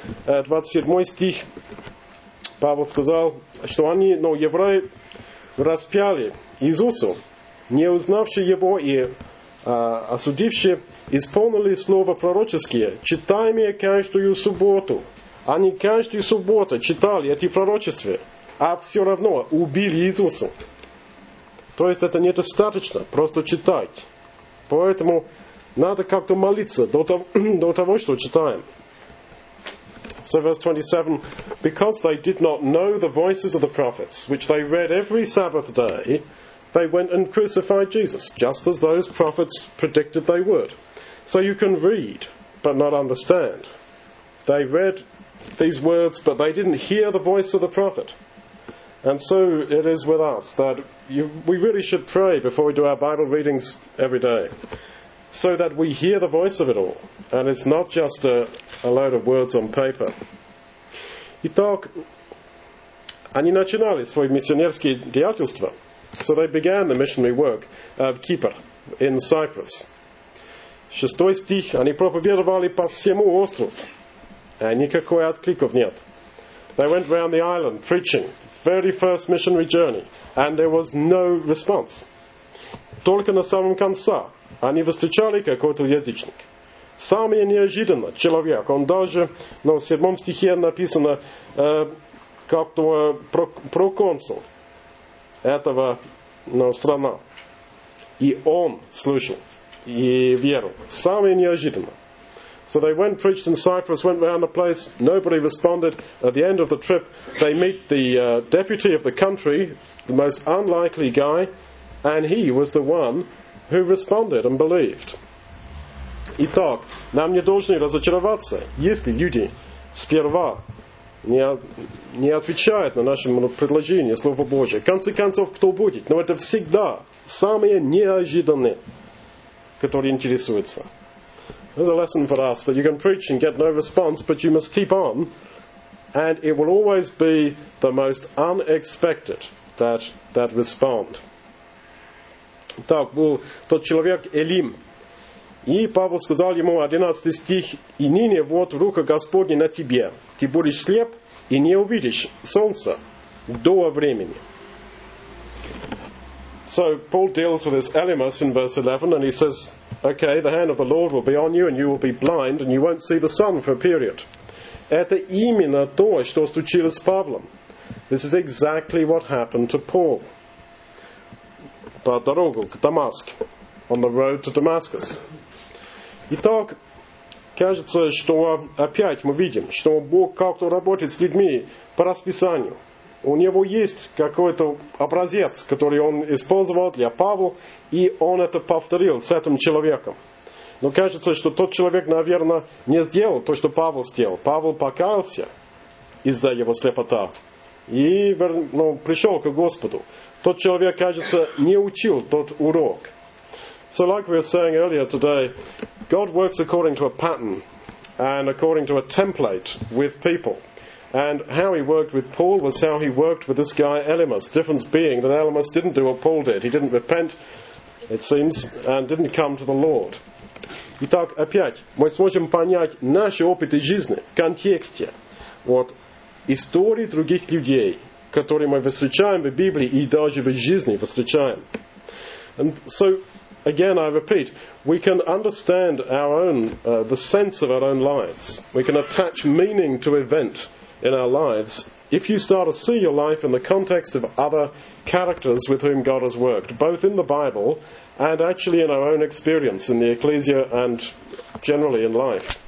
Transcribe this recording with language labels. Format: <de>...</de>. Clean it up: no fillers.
<ru>27 стих Павел сказал, что они, но евреи распяли Иисуса, не узнавши Его и осудивши, исполнили слово пророческие, читаемые каждую субботу. Они каждую субботу читали эти пророчества, а все равно убили Иисуса. То есть это недостаточно просто читать. Поэтому надо как-то молиться до того, что читаем.</ru> <en>So verse 27, because they did not know the voices of the prophets, which they read every Sabbath day, they went and crucified Jesus, just as those prophets predicted they would. So you can read, but not understand. They read these words, but they didn't hear the voice of the prophet. And so it is with us, that we really should pray before we do our Bible readings every day, so that we hear the voice of it all, and it's not just a load of words on paper.</en> <ru>Итак, они начинали свое миссионерское деятельство.</ru> <en>So they began the missionary work of Kippur in Cyprus.</en> <ru>Шестой стих. Они проповедовали по всему острову. Никакой откликов нет.</ru> <en>They went round the island preaching. Very first missionary journey. And there was no response.</en> <ru>Только на самом конце они встречали какой-то язычник. Самый неожиданный человек. Он даже, в седьмом стихе написано, как-то проконсул этого, страна. И он слушал и верил. Самое неожиданное.</ru> <en>So they went, preached in Cyprus, went around the place, nobody responded. At the end of the trip, they meet the deputy of the country, the most unlikely guy, and he was the one who responded and believed.</en> <ru>Итак, нам не должны разочароваться, если люди сперва не отвечает на наше предложение Слово Божие. В конце концов, кто будет? Но это всегда самые неожиданные, которые интересуются.</ru> <en>There's a lesson for us, that you can preach and get no response, but you must keep on, and it will always be the most unexpected that respond.</en> <ru>Итак, был тот человек Элим. И Павел сказал ему, 11 стих, «И ныне вот рука Господня на тебе, ты будешь слеп и не увидишь солнца до времени».</ru> <en>So Paul deals with this Elymas in verse 11, and he says, okay, the hand of the Lord will be on you, and you will be blind, and you won't see the sun for a period.</en> <ru>Это именно то, что случилось с Павлом.</ru> <en>This is exactly what happened to Paul.</en> <ru>По дорогу к Дамаск,</ru> <en>on the road to Damascus.</en> <ru>Итак, кажется, что опять мы видим, что Бог как-то работает с людьми по расписанию. У него есть какой-то образец, который он использовал для Павла, и он это повторил с этим человеком. Но кажется, что тот человек, наверное, не сделал то, что Павел сделал. Павел покаялся из-за его слепота и пришел к Господу. Тот человек, кажется, не учил тот урок.</ru> <en>So like we were saying earlier today, God works according to a pattern and according to a template with people. And how he worked with Paul was how he worked with this guy Elymas. Difference being that Elymas didn't do what Paul did. He didn't repent, it seems, and didn't come to the Lord.</en> <ru>Итак, опять, мы сможем понять наши опыты жизни в контексте. Вот истории других людей, которые мы встречаем в Библии и даже в жизни встречаем.</ru> <en>And so, again, I repeat, we can understand our own, the sense of our own lives. We can attach meaning to event in our lives, if you start to see your life in the context of other characters with whom God has worked, both in the Bible and actually in our own experience in the Ecclesia and generally in life.</en>